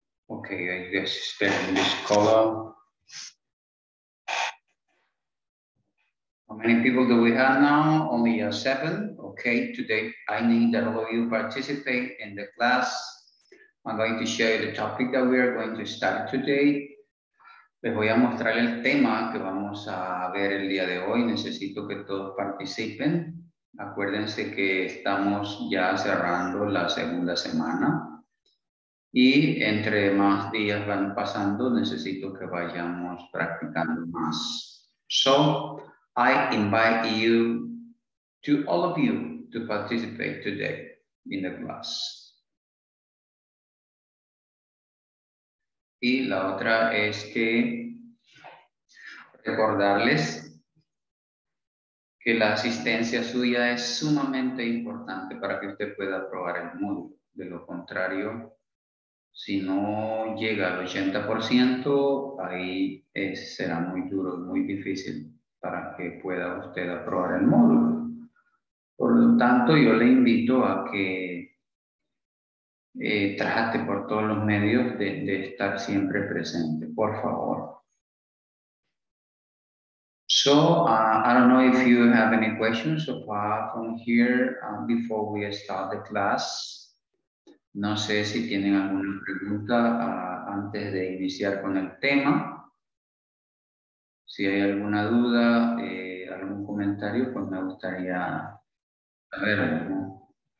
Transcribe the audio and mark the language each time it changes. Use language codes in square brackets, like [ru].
[en] Okay, are you guys expecting this color? How many people do we have now? Only 7. Okay, today I need that all of you participate in the class. I'm going to show you the topic that we are going to start today. [es] Les voy a mostrar el tema que vamos a ver el día de hoy. Necesito que todos participen. Acuérdense que estamos ya cerrando la segunda semana y entre más días van pasando, necesito que vayamos practicando más. [en] So, I invite you to all of you to participate today in the class. [es] Y la otra es que recordarles que la asistencia suya es sumamente importante para que usted pueda aprobar el módulo. De lo contrario, si no llega al 80%, ahí será muy duro, muy difícil para que pueda usted aprobar el módulo. Por lo tanto, yo le invito a que trate por todos los medios de estar siempre presente, por favor. [en] So, I don't know if you have any questions so far from here before we start the class. [es] No sé si tienen alguna pregunta antes de iniciar con el tema. Si hay alguna duda, algún comentario, pues me gustaría saber, ¿no?